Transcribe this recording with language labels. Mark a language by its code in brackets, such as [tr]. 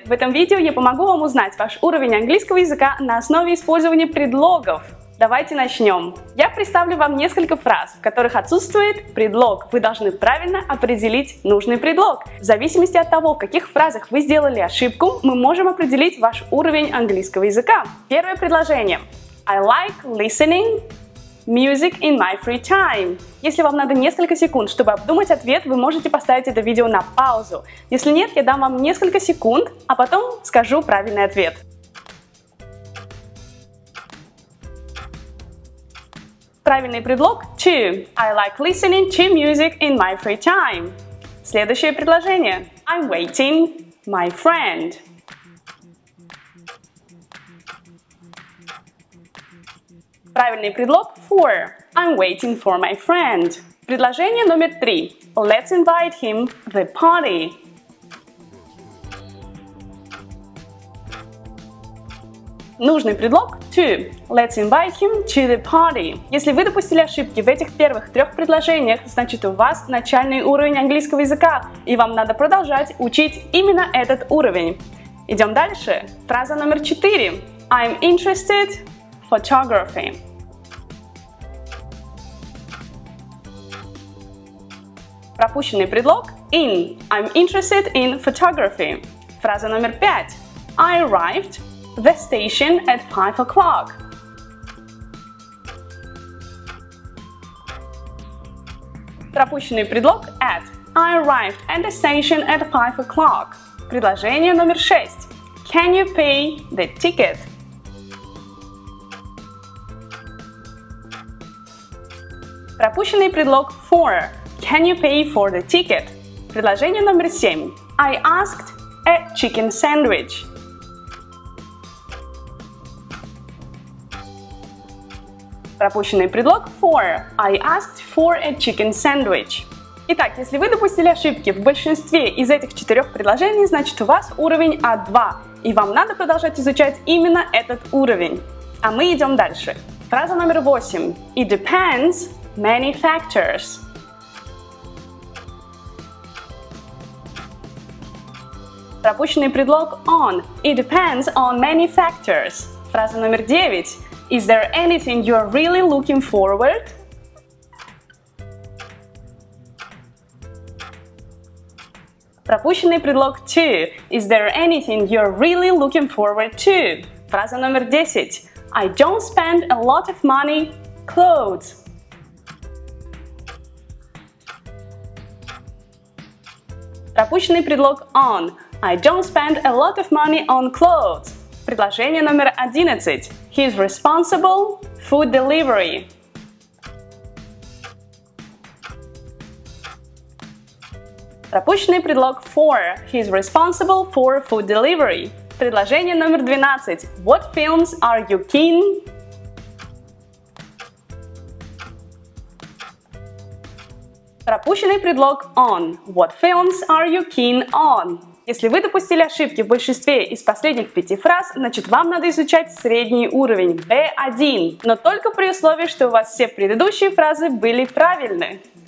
[ru] В этом видео я помогу вам узнать ваш уровень английского языка на основе использования предлогов. Давайте начнем. Я представлю вам несколько фраз, в которых отсутствует предлог. Вы должны правильно определить нужный предлог. В зависимости от того, в каких фразах вы сделали ошибку, мы можем определить ваш уровень английского языка. Первое предложение. [en] I like listening music in my free time. [ru] Если вам надо несколько секунд, чтобы обдумать ответ, вы можете поставить это видео на паузу. Если нет, я дам вам несколько секунд, а потом скажу правильный ответ. Правильный предлог to. [en] I like listening to music in my free time. [ru] Следующее предложение. [en] I'm waiting my friend. [ru] Правильный предлог for. [en] I'm waiting for my friend. [ru] Предложение номер три. [en] Let's invite him to the party. [ru] Нужный предлог to. [en] Let's invite him to the party. [ru] Если вы допустили ошибки в этих первых трех предложениях, значит у вас начальный уровень английского языка, и вам надо продолжать учить именно этот уровень. Идем дальше. Фраза номер четыре. [en] I'm interested in photography. [ru] Пропущенный предлог in. [en] I'm interested in photography. [ru] Фраза номер пять. [en] I arrived the station at 5 o'clock. [ru] Пропущенный предлог at. [en] I arrived at the station at 5 o'clock. [ru] Предложение номер шесть. [en] Can you pay the ticket? [ru] Пропущенный предлог for. [en] Can you pay for the ticket? [ru] Предложение номер семь. [en] I asked a chicken sandwich. [ru] Пропущенный предлог for. [en] I asked for a chicken sandwich. [ru] Итак, если вы допустили ошибки в большинстве из этих четырех предложений, значит у вас уровень А2, и вам надо продолжать изучать именно этот уровень. А мы идем дальше. Фраза номер восемь. [en] It depends many factors. [ru] Пропущенный предлог on. [en] It depends on many factors. [ru] Фраза номер девять. [en] Is there anything you're really looking forward? [ru] Пропущенный предлог to. [en] Is there anything you're really looking forward to? [ru] Фраза номер десять. [en] I don't spend a lot of money clothes. [ru] Пропущенный предлог on. [en] I don't spend a lot of money on clothes. [ru] Предложение номер одиннадцать. [en] He's responsible food delivery. [ru] Пропущенный предлог for. [en] He's responsible for food delivery. [ru] Предложение номер двенадцать. [en] What films are you keen? [ru] Пропущенный предлог on. [en] What films are you keen on? [ru] Если вы допустили ошибки в большинстве из последних пяти фраз, значит вам надо изучать средний уровень B1, но только при условии, что у вас все предыдущие фразы были правильны.